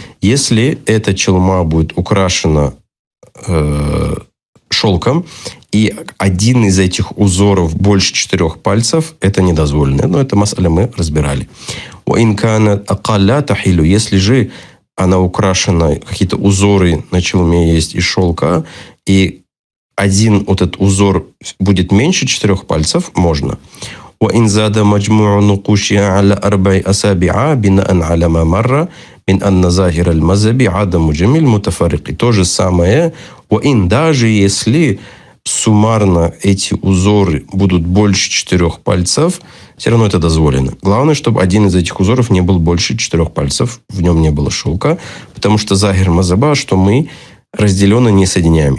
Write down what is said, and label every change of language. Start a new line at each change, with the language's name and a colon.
Russian: Если эта челма будет украшена шелком, и один из этих узоров больше 4 пальцев, это не дозволено. Но это мы разбирали. Если же она украшена, какие-то узоры на челме есть из шелка, и один вот этот узор будет меньше 4 пальцев, можно.
Arabic: وإن زاد مجموع نقوشها على أربع أصابع بناء على ما مر من أن ظاهر المذهب عدم جميع المتفرق.
Russian: То же самое.
Arabic: وإن
Russian: даже если суммарно эти узоры будут больше 4 пальцев, все равно это дозволено. Главное, чтобы один из этих узоров не был больше 4 пальцев, в нем не было шелка, потому что
Arabic: захир мазаба,
Russian: что мы разделенно не соединяем.